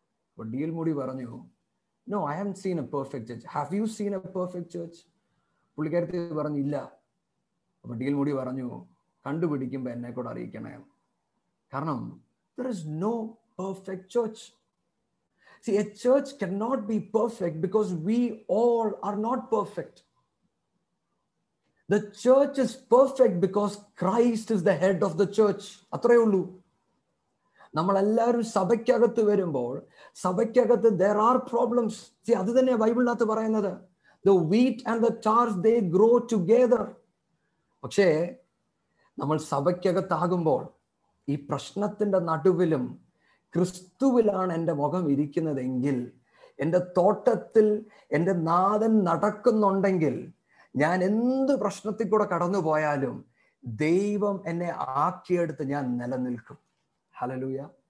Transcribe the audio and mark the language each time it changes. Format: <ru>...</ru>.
<ml>അപ്പോൾ D L Moody പറഞ്ഞു,</ml> <en>No, I have seen a perfect church. Have you seen a perfect church?</en> <ml>പുള്ളിക്കാരത്തി പറഞ്ഞില്ല. അപ്പോൾ D L Moody പറഞ്ഞു, കണ്ടുപിടിക്കുമ്പോൾ എന്നെ കൂടെ അറിയിക്കണേ, കാരണം</ml> <en>there is no perfect church. See, a church cannot be perfect because we all are not perfect. The church is perfect because Christ is the head of the church.</en> <ml>അത്രേ ഉള്ളൂ. നമ്മൾ എല്ലാവരും സഭയ്ക്കകത്ത് വരുമ്പോൾ സഭയ്ക്കകത്ത്</ml> <en>there are problems. See,</en> <ml>അത് തന്നെ ബൈബിളിനകത്ത് പറയുന്നത്,</ml> <en>the wheat and the chaff they grow together.</en> <ml>പക്ഷേ നമ്മൾ സഭയ്ക്കകത്താകുമ്പോൾ ഈ പ്രശ്നത്തിന്റെ നടുവിലും ക്രിസ്തുവിലാണ് എൻ്റെ മുഖം ഇരിക്കുന്നതെങ്കിൽ, എൻ്റെ തോട്ടത്തിൽ എൻ്റെ നാഥൻ നടക്കുന്നുണ്ടെങ്കിൽ, ഞാൻ എന്ത് പ്രശ്നത്തിൽ കൂടെ കടന്നു പോയാലും ദൈവം എന്നെ ആക്കിയെടുത്ത് ഞാൻ നിലനിൽക്കും. ഹല്ലേലൂയ.</ml>